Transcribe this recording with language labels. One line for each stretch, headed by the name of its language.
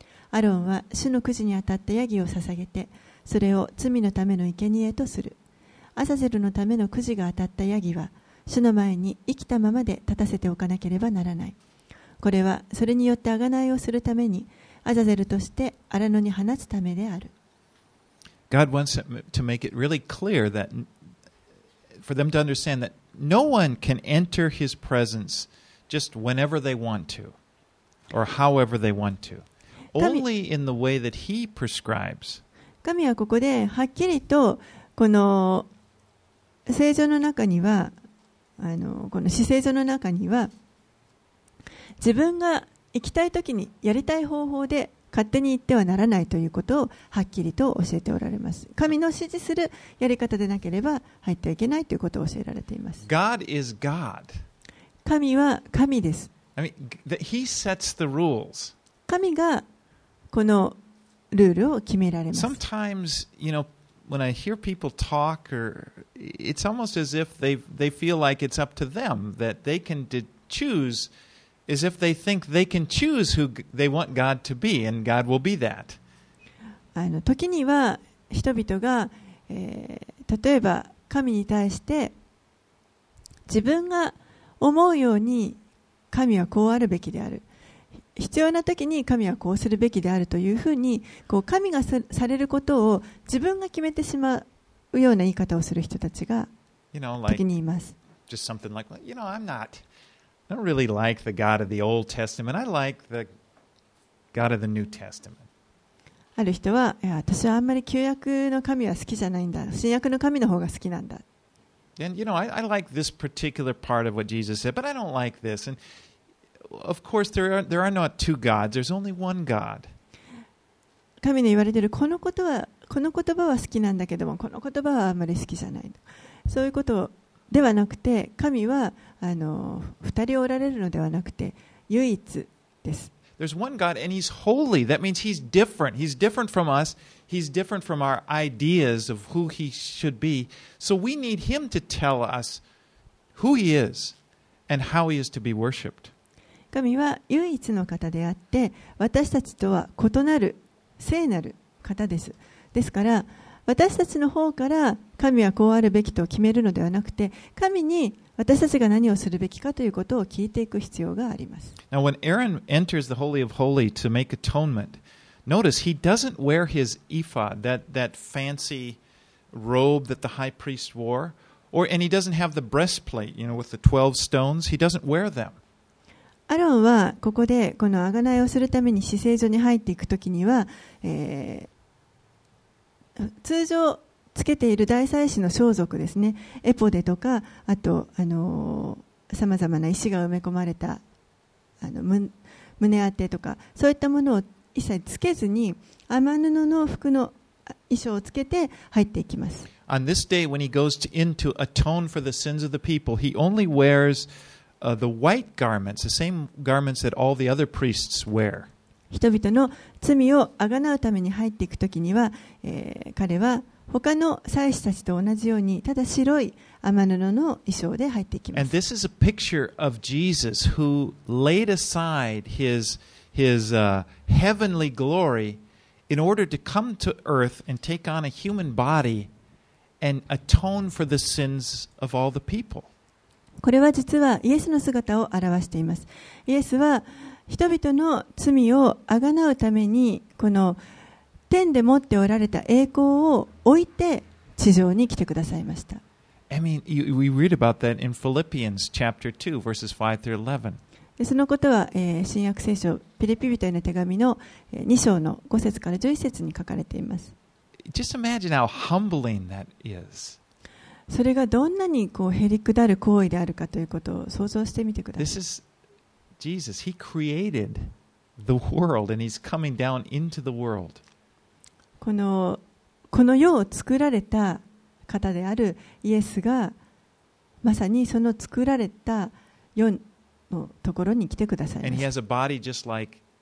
Japanese: アロンは主のくじに当たったヤギを捧げて、それを罪のための生贄とする。アザゼルのためのくじが当たったヤギは主の前に生きたままで立たせておかなければならない。これはそれによって贖いをするためにアザゼルとして荒野に放つためである。
English: God wants to make it really clear that for them to understand that no one can enter his presence just whenever they want to or however they want to. Only in the way that he prescribes.
Japanese: 神はここではっきりとこの聖所の中にはこの至聖所の中には自分が行きたいときにやりたい方法で勝手に行ってはならないということをはっきりと教えておられます。神の指示するやり方でなければ入ってはいけないということを教えられています。
English: God is God.
Japanese: 神は神です。
English: I mean, He sets the rules.
Japanese: 神がこのルールを決められます。
English: Sometimes, you know, when I hear people talk or it's almost as if they feel like it's up to them that they can choose as if they think they can choose who they want God to be, and God will be that.
Japanese: 時には人々が、例えば神に対して自分が思うように神はこうあるべきである、必要な時に神はこうするべきであるというふうにこう神がされることを自分が決めてしまうような言い方をする人たちが時にいます。
English: Just something like, you know, I don't really like the God of the Old Testament. I like the God of the New Testament.
Japanese: ある人は、いや、私はあんまり旧約の神は好きじゃないんだ。新約の神の方が好きなんだ。
English: And you know, I like this particular part of what Jesus said, but I don't like this. And of course, there are not two gods. There's only one God.
Japanese: 神の言われているこの言葉は好きなんだけども、この言葉はあんまり好きじゃない。そういうことを。ではなくて、神は二人おられるのではなくて唯一です。
English: There's one God and He's holy. That means He's different. He's different from us. He's different from our ideas of who He should be. So we need Him to tell us who He is and how He is to be worshipped.
Japanese: 神は唯一の方であって、私たちとは異なる聖なる方です。ですから。私たちの方から神はこうあるべきと決めるのではなくて、神に私たちが何をするべきかということを聞いていく必要があります。
English: Now, when Aaron enters the Holy of Holy to make atonement, notice he doesn't wear his ephod, that fancy robe that the high priest wore, and he doesn't have the breastplate, you know, with the 12 stones, he doesn't wear them.
Japanese: アロンはここでこの贖いをするために至聖所に入っていくときには、通常つけている大祭司の装束ですね、エポデとか、あとさまざまな石が埋め込まれた胸当てとか、そういったものを一切つけずに天布の服の衣装をつけて入っていきます。
English: On this day when he goes in to atone for the sins of the people, he only wears the white garments, the same garments that all the other priests wear.
Japanese: 人々の罪を贖うために入っていくときには、彼は他の祭司たちと同じようにただ白い天布の衣装で入っていきます。
English: And this is a picture of Jesus who laid aside his heavenly glory in order to come to earth and take on a human body and atone for the sins of all the people.
Japanese: これは実はイエスの姿を表しています。イエスは人々の罪を贖うためにこの天で持っておられた栄光を置いて地上に来てくださいました。
English: I mean, we read about that in Philippians chapter 2, verses 5 through 11.
Japanese: そのことは、新約聖書ピリピ人への手紙の2章の5節から11節に書かれています。
English: Just imagine how humbling that is.
Japanese: それがどんなにこうへりくだる行為であるかということを想像してみてください。
English: This is Jesus. He created the world and he's coming down into the world.
Japanese: この世を作られた方であるイエスがまさにその作られた世のところに来てくださいました。